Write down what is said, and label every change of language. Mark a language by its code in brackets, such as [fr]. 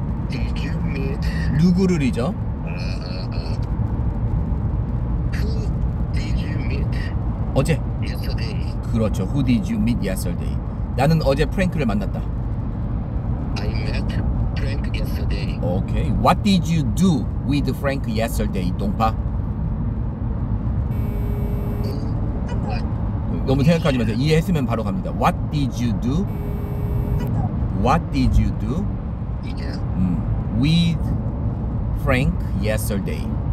[en] Did you meet [ko] 누구를이죠? [en] Who did you meet? [ko] 어제. [en] Yesterday. [ko] 그렇죠. [en] Who did you meet yesterday? [ko] 나는 어제 프랭크를 만났다. [en] I met Frank yesterday. Okay. What did you do with Frank yesterday, 동파? What? [ko] 너무 생각하지 마세요. 이해했으면 바로 갑니다. [en] What did you do? What did you do? Yeah. With Frank yesterday.